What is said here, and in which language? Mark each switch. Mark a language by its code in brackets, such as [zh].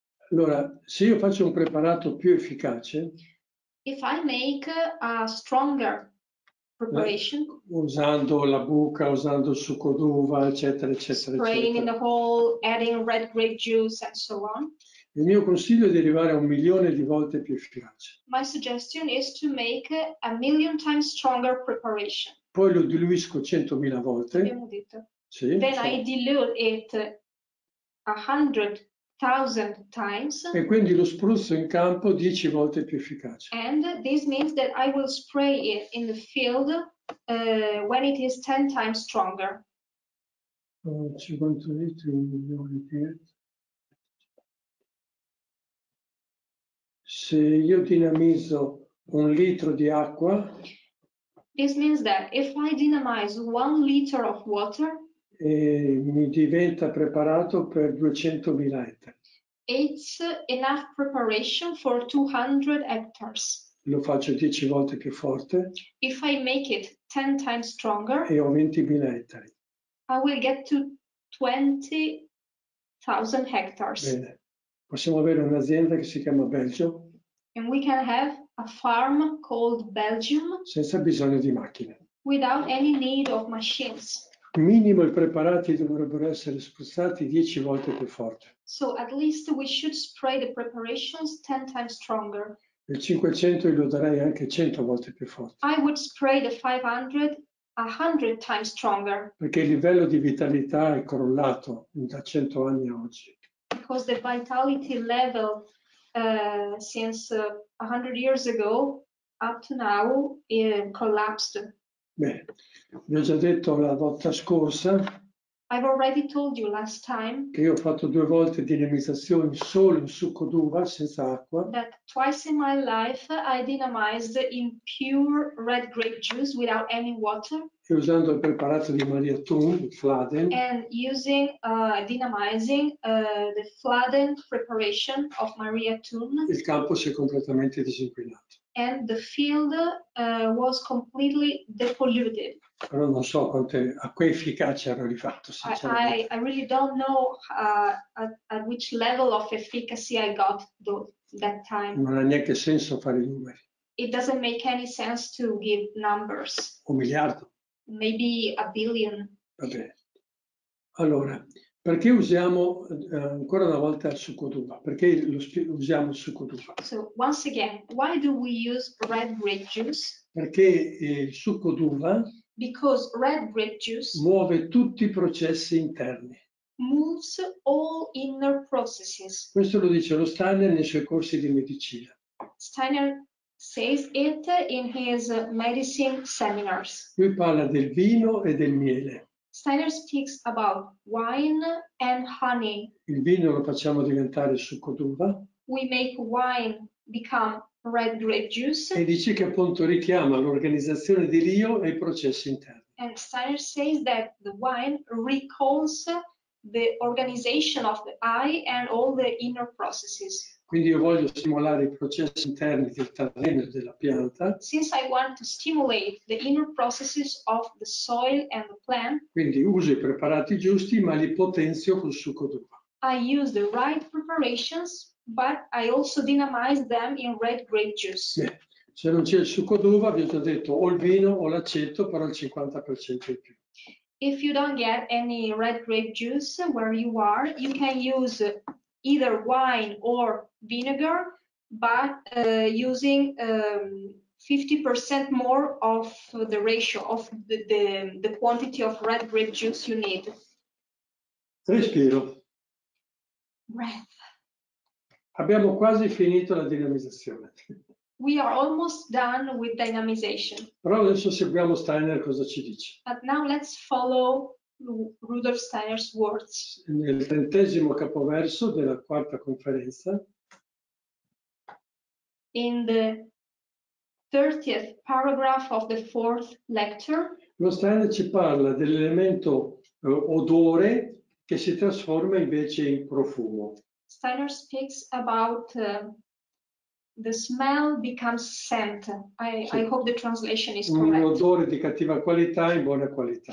[it] Allora, se io faccio un preparato più efficace, [en] if I make a stronger preparation, [it] usando la buca, usando il succo d'uva, eccetera, eccetera, [en] spraying [it] eccetera, [en] in the hole, adding red grape juice and so on, [it] il mio consiglio è di arrivare a 1 milione di volte più efficace. [en] My suggestion is to make a 1 million times stronger preparation. [it] Poi lo diluisco 100.000 volte. Abbiamo detto. Sì, [en] then so. I dilute it 100,000 times. [it] E quindi lo spruzzo in campo 10 volte più efficace. [en] And this means that I will spray it in the field when it is 10 times stronger. [it] 50 litri, 1 milione di litri. Se io dinamizzo 1 litro di acqua. [en] This means that if I dynamize 1 liter of water. [it] E mi diventa preparato per 200.000 ettari. [en] It's enough preparation for 200 hectares. [it] Lo faccio 10 volte più forte. [en] If I make it 10 times stronger. [it] E ho 20.000 ettari. [en] I will get to 20,000 hectares. [it] Bene. Possiamo avere un'azienda che si chiama Belgio. [en] And we can have a farm called Belgium. [it] Senza bisogno di macchine. [en] Without any need of machines. [it] Minimo i preparati dovrebbero essere spruzzati 10 volte più forte. [en] So at least we should spray the preparations 10 times stronger. [it] Il 500 lo darei anche 100 volte più forte. [en] I would spray the 500 100 times stronger. [it] Perché il livello di vitalità è crollato da 100 anni a oggi. [en] Because the vitality level since 100 years ago up to now it collapsed. [it] Beh, vi ho già detto la volta scorsa. [en] I've already told you last time [it] che io ho fatto 2 volte dinamizzazioni solo in succo d'uva senza acqua. [en] That twice in my life I dynamized in pure red grape juice without any water. [it] e usando il preparato di Maria Thun, il Fladen. [en] And using, dynamizing the Fladen preparation of Maria Thun. [it] Il campo si è completamente disinquinato. [en] And the field was completely depolluted. [it] Però non so quante, a che efficacia ero rifatto, sinceramente. [en] I really don't know at which level of efficacy I got that time. [it] Non ha neanche senso fare i numeri. [en] It doesn't make any sense to give numbers. [it] Un miliardo. [en] Maybe a billion. [it] Va bene. Allora, perché usiamo ancora una volta il succo d'uva? Perché usiamo il succo d'uva? [en] So, once again, why do we use red grape juice? [it] Perché il succo d'uva. [en] Because red grape juice. [it] Muove tutti i processi interni. [en] Moves all inner processes. [it] Questo lo dice lo Steiner nei suoi corsi di medicina. [en] Steiner says it in his medicine seminars. [it] Lui parla del vino e del miele. [en] Steiner speaks about wine and honey. [it] Il vino lo facciamo diventare succo d'uva. [en] We make wine become red grape juice. [it] E dice che appunto richiama l'organizzazione di Rio e i processi interni. [en] And Steiner says that the wine recalls the organization of the eye and all the inner processes. [it] Quindi io voglio stimolare i processi interni del terreno e della pianta. [en] Since I want to stimulate the inner processes of the soil and the plant. [it] Quindi uso i preparati giusti, ma li potenzio col succo d'uva. [en] I use the right preparations, but I also dynamize them in red grape juice. Yeah. [it] Se non c'è il succo d'uva, vi ho già detto, o il vino o l'aceto, però il 50% in più. [en] If you don't get any red grape juice where you are, you can use either wine or vinegar, but using 50% more of the ratio of the quantity of red grape juice you need. [it] Respiro. [en] Breath. [it] Abbiamo quasi finito la dinamizzazione. [en] We are almost done with dynamization. [it] Però adesso seguiamo Steiner cosa ci dice. [en] But now let's follow Rudolf Steiner's words. [it] Nel trentesimo capoverso della quarta conferenza. [en] In the 30th paragraph of the fourth lecture. [it] Lo Steiner ci parla dell'elemento odore che si trasforma invece in profumo. [en] Steiner speaks about the smell becomes scent. I hope the translation is correct. [it] Un odore di cattiva qualità in buona qualità.